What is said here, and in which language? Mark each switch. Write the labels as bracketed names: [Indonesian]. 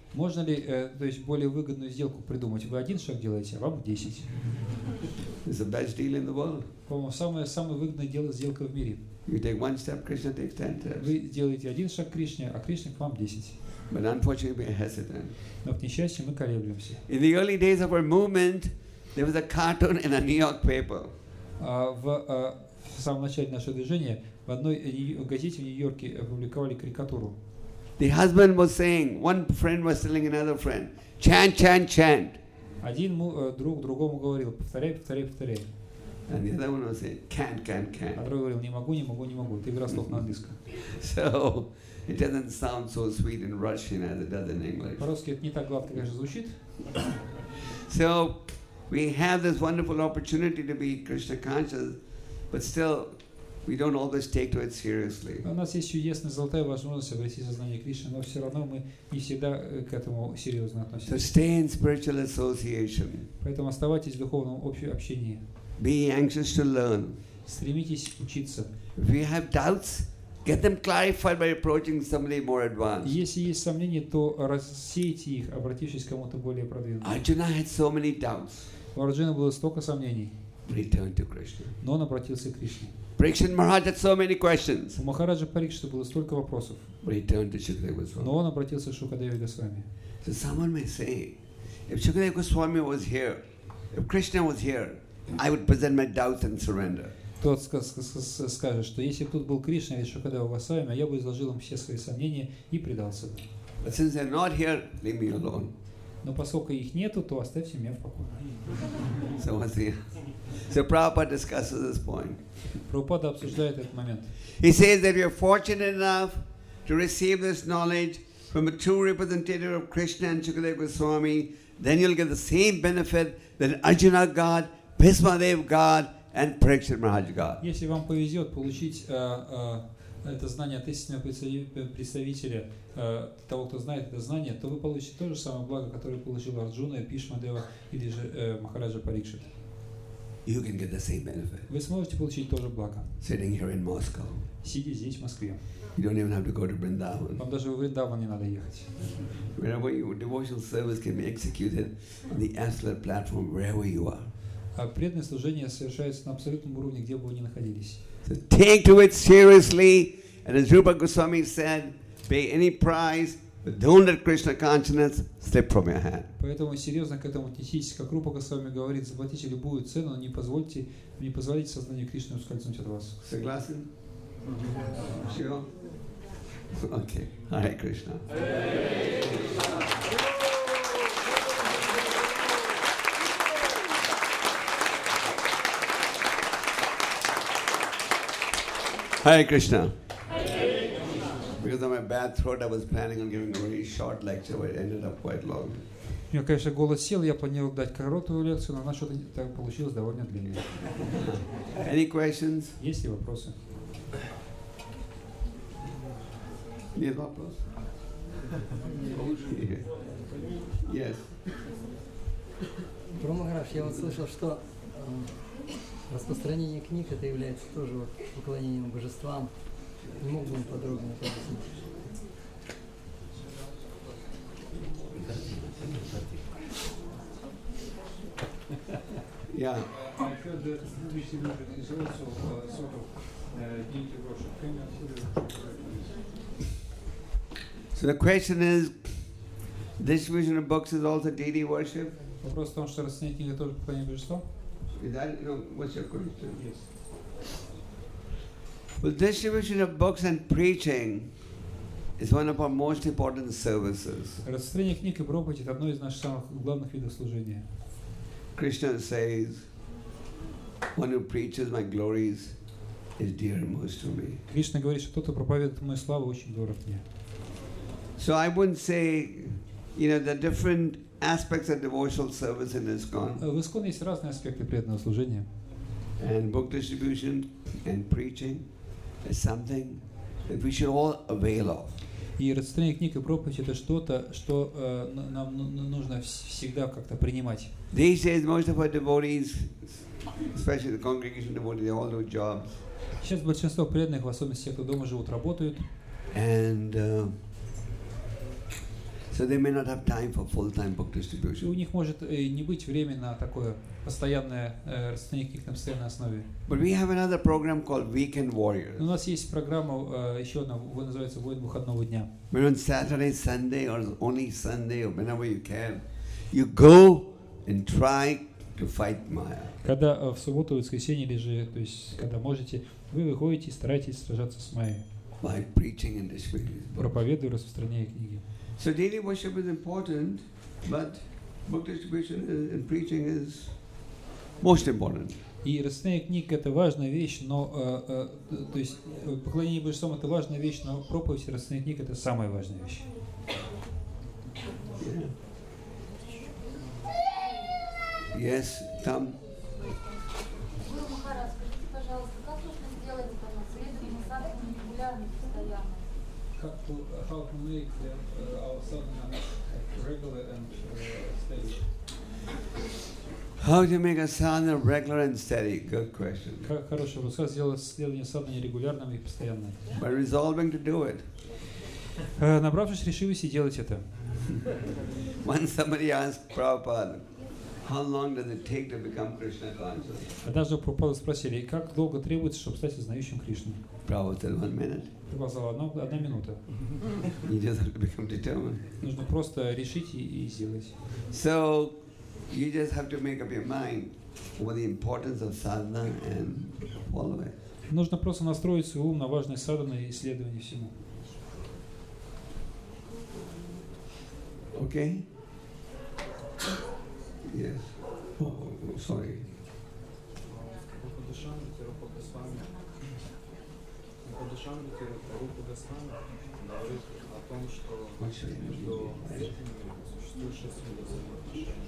[Russian] Можно ли, то есть более выгодную сделку придумать? Вы один шаг делаете, а вам 10. [English] It's the best deal in the world. [Russian] По-моему, самая выгодная сделка в мире. [English] You take one step, Krishna takes 10 steps. [Russian] Вы делаете один шаг к Кришне, а Кришна к вам 10. [English] But unfortunately, we're hesitant. [Russian] Но к несчастью, мы колеблемся. [English] In the early days of our movement. There was a cartoon in a New York paper. [Russian] В самом начале нашего движения в одной газете в Нью-Йорке опубликовали карикатуру. [English] The husband was saying, one friend was telling another friend, chant, chant, chant. [Russian] Один друг другому говорил, повторяй, повторяй, повторяй. [English] And the other one was saying, can't, can't, can't. [Russian] А другой говорил, не могу, не могу, не могу. Это игра слов на английском. [English] So it doesn't sound so sweet in Russian as it does in English. [Russian] По-русски это не так гладко, конечно, звучит. [English] So we have this wonderful opportunity to be Krishna conscious, but still, we don't always take to it seriously. [Russian] У нас есть чудесная золотая возможность обрести сознание Кришны, но все равно мы не всегда к этому серьезно относимся. [English] So stay in spiritual association. [Russian] Поэтому оставайтесь в духовном общении. [English] Be anxious to learn. [Russian] Стремитесь учиться. [English] If you have doubts, get them clarified by approaching somebody more advanced. [Russian] Если есть сомнения, то рассейте их, обратившись к кому-то более продвинутому. [English] Arjuna had so many doubts. [Russian] У Арджуны было столько сомнений. [English] Return to Krishna. [Russian] Но он обратился к Кришне. [English] Parikshit Maharaj had so many questions. [Russian] У Махараджа Парикшита было столько вопросов. [English] Return to Shukadeva Goswami. [Russian] Но он обратился к Шукадеве Госвами. [English] So someone may say, if Shukadeva Goswami was here, if Krishna was here, I would present my doubts and surrender. [Russian] Тот скажет, что если бы тут был Кришна или Шукадева Госвами, я бы изложил им все свои сомнения и предался бы. [English] But since they're not here, leave me alone. [Russian] Но поскольку их нету, то оставьте меня в покое. [English] So what's the So Prabhupada discusses this point. [Russian] Prabhupada обсуждает этот момент. [English] He says that we are fortunate enough to receive this knowledge from a true representative of Krishna and Shukadeva Goswami, then you'll get the same benefit that Arjuna got, Bhishma Dev got, and Parikshit Maharaj got. [Russian] Если вам повезет получить это знание от истинного представителя, того, кто знает это знание, то вы получите то же самое благо, которое получил Арджуна, Бхишма Дева или же Махараджа Парикшит. [English] You can get the same benefit. [Russian] Вы сможете получить тоже благо. [English] Sitting here in Moscow. [Russian] Сидя здесь в Москве. [English] You don't even have to go to Vrindavan. [Russian] Вам даже в Вриндаван не надо ехать. [English] Wherever your devotional service can be executed on the absolute platform, wherever you are. [Russian] Преданное служение совершается на абсолютном уровне, где бы вы ни находились. [English] So take to it seriously, and as Rupa Goswami said, pay any price, but don't let Krishna consciousness slip from your hand. [Russian] Поэтому серьезно к этому относитесь, как Рупа Госвами говорит, заплатите любую цену, но не позволите сознанию Кришны ускользнуть от вас. Согласен? [English] Sure? Okay. Hare Krishna. Hare Krishna. Because of my bad throat, I was planning on giving a very short lecture, but it ended up quite long. [Russian] У меня, конечно, голос сел, я планировал дать короткую лекцию, но она что-то так получилась довольно длинная. [English] Any questions? [Russian] Есть ли вопросы? Нет вопросов? [English] Yes. [Russian] Про Махараш, я вот слышал, что распространение книг это является тоже вот поклонением божествам. Не мог бы он подробнее объяснить? [English] Yeah. I heard that Bhakti Vedanta is also sort of deity worship. Can you answer that? So the question is, distribution of books is also deity worship? [Russian] Вопрос в том, что распространение книги тоже поклонение божеству? [English] Is that, you know, what's your question? Yes. Well, distribution of books and preaching is one of our most important services. [Russian] Распространение книг и проповедь — это одно из наших самых главных видов служения. [English] Krishna says, "One who preaches my glories is dear most to me." [Russian] Кришна говорит, что тот, кто проповедует мою славу, очень дорог мне. [English] So I wouldn't say, you know, the different aspects of devotional service in ISKCON. [Russian] В ИСКОН есть разные аспекты преданного служения. [English] And book distribution and preaching is something that we should all avail of. [Russian] И распространение книг и проповедь — это что-то, что нам нужно всегда как-то принимать. [English] These days, most of our devotees, especially the congregation devotees, they all do jobs. [Russian] Сейчас большинство преданных, в особенности тех, кто дома живут, работают. [English] And so they may not have time for full-time book distribution. [Russian] У них может не быть времени на такое постоянное распространение книг на постоянной основе. [English] But we have another program called Weekend Warriors. [Russian] У нас есть программа еще одна, называется «Воин выходного дня». [English] When on Saturday, Sunday, or only Sunday, or whenever you can, you go and try to fight Maya. [Russian] Когда в субботу, воскресенье или же, то есть, когда можете, вы выходите и стараетесь сражаться с Майей. [English] By preaching and distributing books. [Russian] Проповедуя и распространяя книги. [English] So daily worship is important, but book distribution and preaching is most important. [Russian] И распространение книг — это важная вещь, но то есть поклонение Божествам — это важная вещь, но проповедь и распространение книг — это самая важная вещь. [English] Yeah. Yes, [Russian] там. Гуру Махарад, скажите, пожалуйста, как нужно сделать это на следующем садке регулярно, постоянно? [English] How to make our sadhana regular and steady? Good question. [Russian] Хороший вопрос. Как сделать следование садхане регулярным и постоянным? [English] By resolving to do it. [Russian] Набравшись решимости делать это. [English] When somebody asked Prabhupada, how long does it take to become Krishna conscious? [Russian] Однажды Прабхупада спросили, как долго требуется, чтобы стать сознающим Кришну? [English] Prabhupada said 1 minute. [Russian] Одна минута. [English] You just have to become determined. [Russian] Нужно просто решить и сделать. [English] So you just have to make up your mind what the importance of sadhana and follow it. [Russian] Нужно просто настроить свой ум на важность садхана и следование всему. [English] Okay. Yes. Oh, sorry. [Russian] по Госвами, по душам литературы, руку Госвами, говорит о том, что между этими существует шесть видов взаимоотношений.